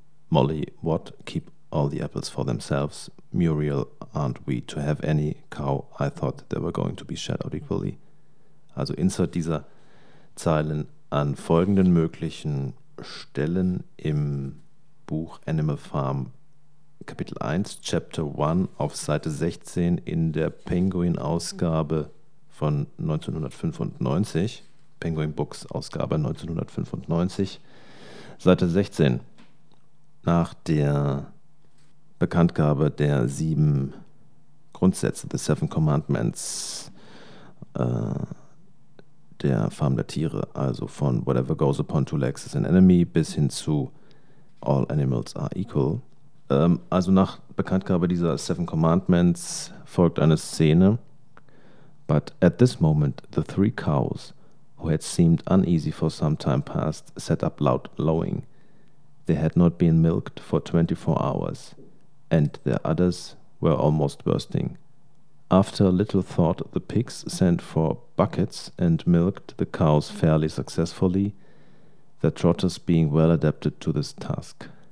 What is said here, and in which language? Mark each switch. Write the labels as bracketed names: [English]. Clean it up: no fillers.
[English] Molly, what, keep all the apples for themselves? Muriel, aren't we to have any? Cow, I thought they were going to be shared out equally. [German] Also insert dieser Zeilen an folgenden möglichen Stellen im Buch Animal Farm, Kapitel 1, Chapter 1, auf Seite 16 in der Penguin-Ausgabe von 1995, Penguin-Books-Ausgabe 1995, Seite 16, nach der Bekanntgabe der sieben Grundsätze, the Seven Commandments, der Farm der Tiere, also von [English] whatever goes upon two legs is an enemy [German] bis hin zu [English] all animals are equal. [German] Also nach Bekanntgabe dieser Seven Commandments folgt eine Szene. [English] But at this moment the three cows, who had seemed uneasy for some time past, set up loud lowing. They had not been milked for 24 hours, and their udders were almost bursting. After a little thought, the pigs sent for buckets and milked the cows fairly successfully, their trotters being well adapted to this task.